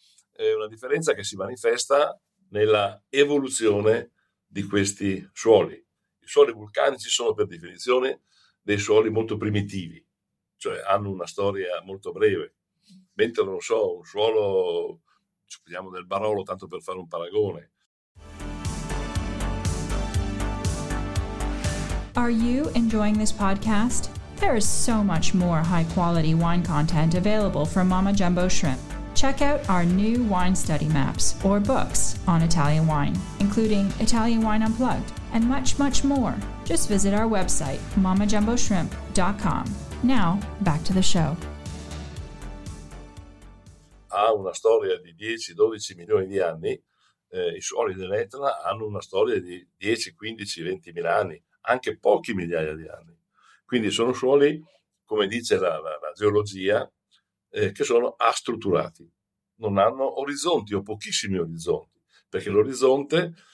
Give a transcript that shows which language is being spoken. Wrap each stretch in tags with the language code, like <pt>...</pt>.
<it>È una differenza che si manifesta nella evoluzione di questi suoli. I suoli vulcanici sono per definizione dei suoli molto primitivi, cioè hanno una storia molto breve. Mentre, non so, un suolo, ci prendiamo del Barolo, tanto per fare un paragone.</it> <en>Are you enjoying this podcast? There is so much more high quality wine content available from Mama Jumbo Shrimp. Check out our new wine study maps or books on Italian wine, including Italian Wine Unplugged and much, much more. Just visit our website, mamajumboshrimp.com. Now, back to the show.</en> <it>Ha una storia di 10-12 milioni di anni, i suoli dell'Etna hanno una storia di 10-15-20 mila anni, anche pochi migliaia di anni. Quindi sono suoli, come dice la geologia, che sono astrutturati, non hanno orizzonti o pochissimi orizzonti, perché l'orizzonte</it>